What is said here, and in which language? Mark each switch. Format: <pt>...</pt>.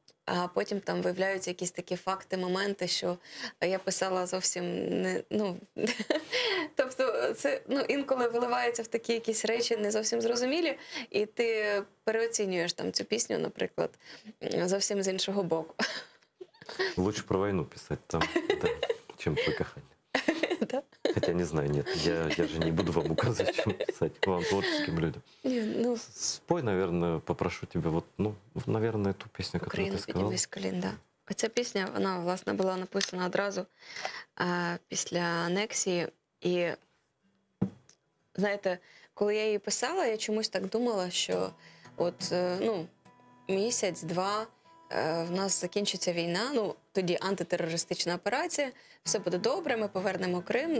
<uk>А потім там виявляються якісь такі факти, моменти, що я писала зовсім не, ну, тобто це, ну, інколи виливається в такі якісь речі не зовсім зрозумілі, і ти переоцінюєш там цю пісню, наприклад, зовсім з іншого боку. Лучше про війну писати там, да, чим про кохання. Да?</uk> <ru>Хотя не знаю, нет, я же не буду вам указывать, чем писать, вам, творческим людям. Не, ну... Спой, наверное, попрошу тебя, вот, ну, наверное, ту песню, которую ты сказала. «Україна,</ru> <uk>підіймись з колін», да. Оця пісня, вона, власне, була написана одразу після анексії. І, знаєте, коли я її писала, я чомусь так думала, що от, ну, місяць-два в нас закінчиться війна, ну, тоді антитерористична операція, все буде добре, ми повернемо Крим.</uk>